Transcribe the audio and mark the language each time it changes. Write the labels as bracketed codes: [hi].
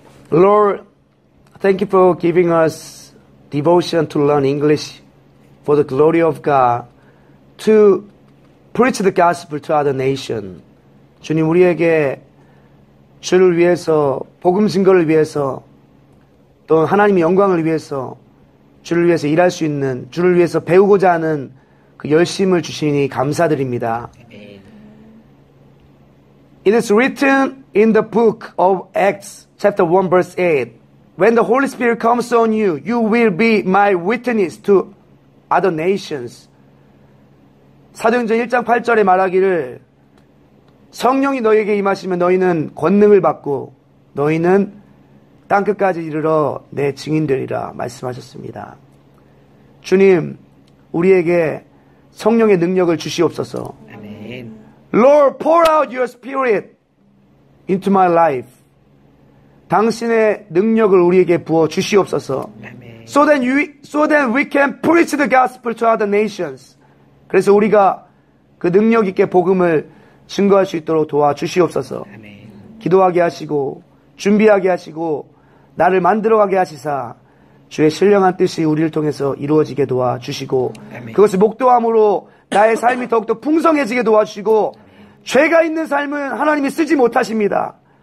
[en] Lord, thank you for giving us devotion to learn English for the glory of God, to preach the gospel to other nations. [ko] 주님, 우리에게 주를 위해서, 복음 증거를 위해서, 또 하나님의 영광을 위해서, 주를 위해서 일할 수 있는, 주를 위해서 배우고자 하는 그 열심을 주시니 감사드립니다. [en] It is written in the book of Acts, chapter 1, verse 8. When the Holy Spirit comes on you, you will be my witness to other nations. [ko] 사도행전 1장 8절에 말하기를 성령이 너희에게 임하시면 너희는 권능을 받고 너희는 땅끝까지 이르러 내 증인들이라 말씀하셨습니다. 주님, 우리에게 성령의 능력을 주시옵소서. 아멘. [en] Lord, pour out your spirit into my life. [ko] 당신의 능력을 우리에게 부어 주시옵소서. [en] So then we can preach the gospel to other nations. [ko] 그래서 우리가 그 능력 있게 복음을 증거할 수 있도록 도와 주시옵소서. 기도하게 하시고 준비하게 하시고 나를 만들어가게 하시사 주의 신령한 뜻이 우리를 통해서 이루어지게 도와주시고 그것을 목도함으로 나의 삶이 더욱더 풍성해지게 도와주시고 죄가 있는 삶은 하나님이 쓰지 못하십니다.